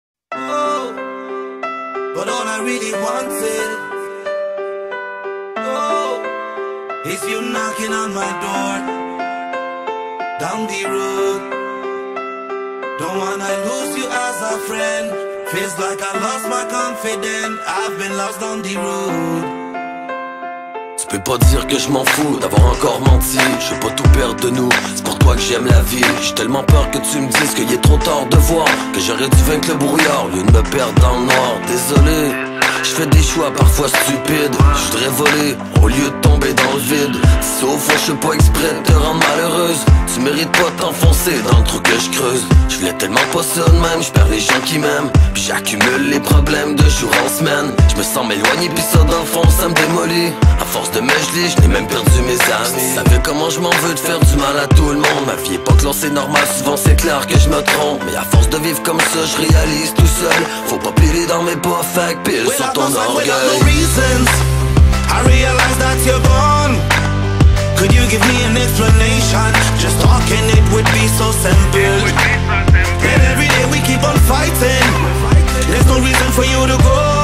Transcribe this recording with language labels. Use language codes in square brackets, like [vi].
[en] But all I really wanted, oh, is you knocking on my door down the road. Don't wanna lose you as a friend. Feels like I lost my confidence. I've been lost on the road. [fr] Je peux pas dire que je m'en fous d'avoir encore menti. Je veux pas tout perdre de nous, c'est pour toi que j'aime la vie. J'ai tellement peur que tu me dises qu'il est trop tard de voir, que j'aurais dû vaincre le brouillard au lieu de me perdre dans le noir. Désolé, je fais des choix parfois stupides. Je voudrais voler au lieu de tomber dans le vide. Sauf que je suis pas exprès de te rendre malheureuse. Tu mérites pas t'enfoncer dans le trou que je creuse. Je voulais tellement pas ça de même, je perds les gens qui m'aiment. Puis j'accumule les problèmes de jour en semaine. Je me sens m'éloigner, puis ça dans le fond, ça me démolit. À force de me geler, j'ai même perdu mes amis. Tu savais comment je m'en veux de faire du mal à tout le monde. Ma vie est pas que l'on sait normal, souvent c'est clair que je me trompe. Mais à force de vivre comme ça, je réalise tout seul. Faut pas piler dans mes pas, fait pile sur ton orgueil. [en] Without no reasons, I realize that you're gone. Could you give me an explanation? Just talking it would be so simple. And every day we keep on fighting. There's no reason for you to go.